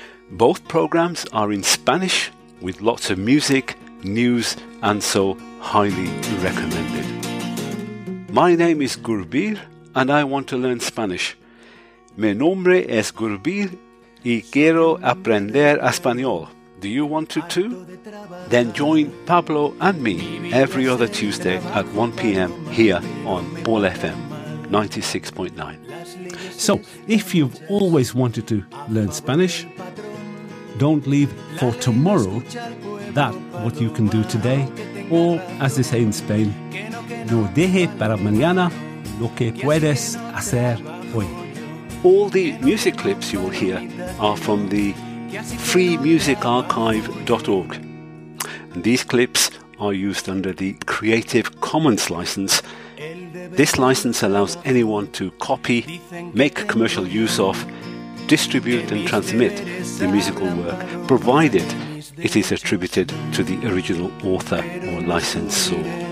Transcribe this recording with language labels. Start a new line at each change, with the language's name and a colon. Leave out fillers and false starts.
English: Both programs are in Spanish with lots of music, news, and so highly recommended. My name is Gurbir and I want to learn Spanish.
Spanish: Mi nombre es Gurbir y quiero aprender español.
English: Do you want to too? Then join Pablo and me every other Tuesday at 1 p.m. here on Ball FM 96.9. So, if you've always wanted to learn Spanish, don't leave for tomorrow that what you can do today. Or, as they say in Spain,
Spanish: no deje para mañana lo que puedes hacer hoy.
English: All the music clips you will hear are from the freemusicarchive.org. And these clips are used under the Creative Commons license. This license allows anyone to copy, make commercial use of, distribute and transmit the musical work, provided it is attributed to the original author or licensor.